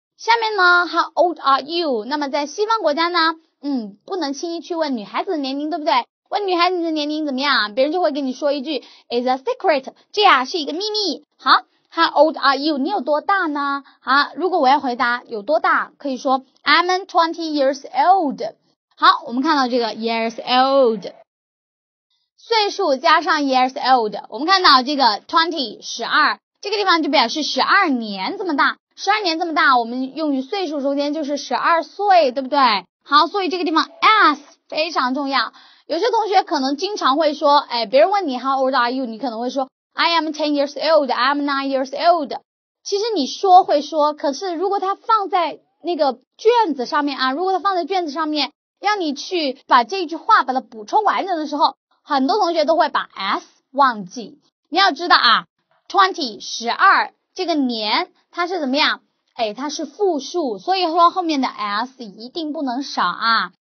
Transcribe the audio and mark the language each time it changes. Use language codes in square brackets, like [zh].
[zh] 下面呢 [en] how old are you， [zh] 那么在西方国家呢，不能轻易去问女孩子的年龄，对不对？问女孩子的年龄怎么样，别人就会跟你说一句 [en] is a secret， [zh] 这样是一个秘密。好， [en] how old are you， [zh] 你有多大呢？好，如果我要回答有多大，可以说 [en] I'm 20 years old。 [zh] 好，我们看到这个 [en] years old， [zh] 岁数加上 years old， 我们看到这个 20 12，这个地方就表示12年这么大，12年这么大我们用于岁数中间就是12岁，对不对？好，所以这个地方 as 非常重要。有些同学可能经常会说，哎，别人问你 [en] how old are you， [zh] 你可能会说 [en] I am 10 years old， I am 9 years old。 [zh] 其实你说会说，可是如果它放在那个卷子上面啊，如果它放在卷子上面让你去把这句话把它补充完整的时候，很多同学都会把 s 忘记。你要知道啊，20 12这个年它是怎么样，哎，它是复数，所以说后面的 s 一定不能少啊。